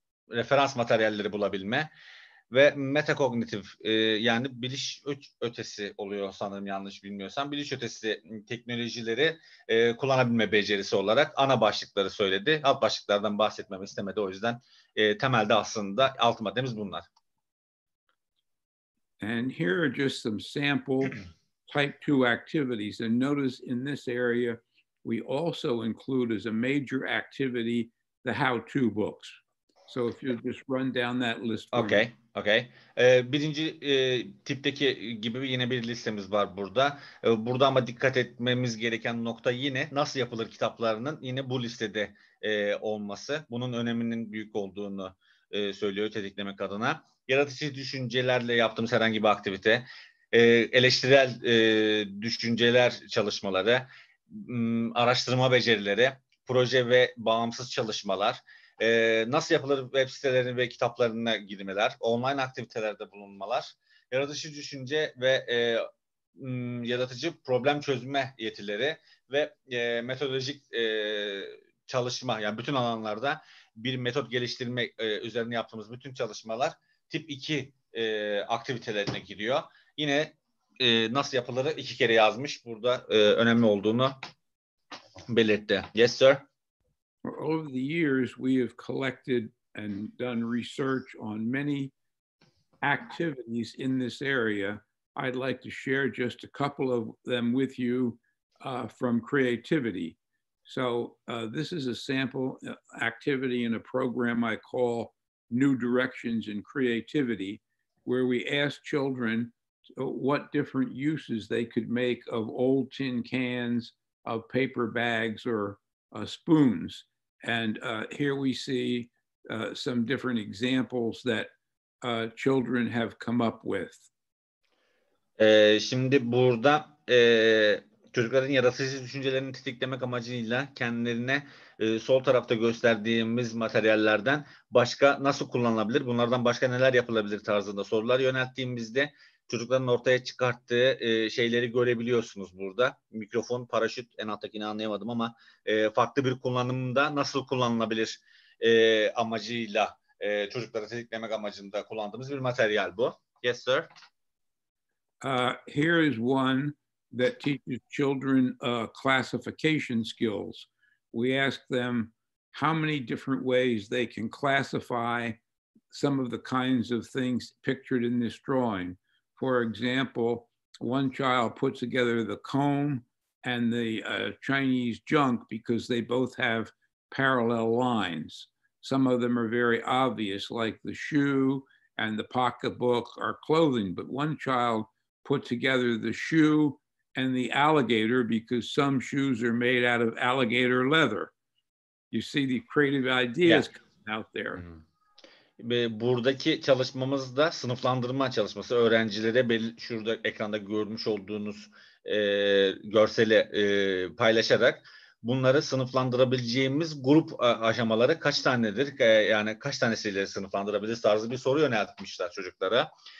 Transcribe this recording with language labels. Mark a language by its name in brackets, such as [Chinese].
[Turkish] referans materyalleri bulabilme ve metakognitif yani biliş ötesi oluyor sanırım yanlış bilmiyorsam. Biliş ötesi teknolojileri kullanabilme becerisi olarak ana başlıkları söyledi. Alt başlıklardan bahsetmemi istemedi. O yüzden temelde aslında alt maddemiz bunlar. [English] And here are just some sample type 2 activities. And notice in this area we also include as a major activity the how-to books. So if you just run down that list. Okay, okay. [Turkish] Birinci tipteki gibi yine bir listemiz var burada. Burada ama dikkat etmemiz gereken nokta yine nasıl yapılır kitaplarının yine bu listede olması. Bunun öneminin büyük olduğunu söylüyor tetiklemek adına. Yaratıcı düşüncelerle yaptığımız herhangi bir aktivite. Eleştirel düşünceler çalışmaları. Araştırma becerileri. Proje ve bağımsız çalışmalar. Nasıl yapılır web sitelerine ve kitaplarına girmeler, online aktivitelerde bulunmalar, yaratıcı düşünce ve yaratıcı problem çözme yetileri ve metodolojik çalışma, yani bütün alanlarda bir metot geliştirme üzerine yaptığımız bütün çalışmalar tip 2 aktivitelerine giriyor. Yine nasıl yapılır iki kere yazmış, burada önemli olduğunu belirtti. [English] Yes, sir. Over the years, we have collected and done research on many activities in this area. I'd like to share just a couple of them with you from creativity. So this is a sample activity in a program I call New Directions in Creativity, where we ask children what different uses they could make of old tin cans, of paper bags, or spoons. And here we see some different examples that children have come up with. [Turkish] Şimdi burada çocukların yaratıcı düşüncelerini tetiklemek amacıyla kendilerine sol tarafta gösterdiğimiz materyallerden başka nasıl kullanılabilir, bunlardan başka neler yapılabilir tarzında sorular yönelttiğimizde çocukların ortaya çıkarttığı şeyleri görebiliyorsunuz burada. Mikrofon, paraşüt, en alttakini anlayamadım ama farklı bir kullanımda nasıl kullanılabilir amacıyla çocukları tetiklemek amacında kullandığımız bir materyal bu. [English] Yes, sir. Here is one that teaches children classification skills. We ask them how many different ways they can classify some of the kinds of things pictured in this drawing. For example, one child puts together the comb and the Chinese junk because they both have parallel lines. Some of them are very obvious, like the shoe and the pocketbook or clothing. But one child put together the shoe and the alligator because some shoes are made out of alligator leather. You see the creative ideas coming out there. Mm-hmm. [Turkish] Buradaki çalışmamız da sınıflandırma çalışması. Öğrencilere şurada ekranda görmüş olduğunuz görseli paylaşarak bunları sınıflandırabileceğimiz grup aşamaları kaç tanedir? Yani kaç tanesiyle sınıflandırabiliriz tarzı bir soru yöneltmişler çocuklara.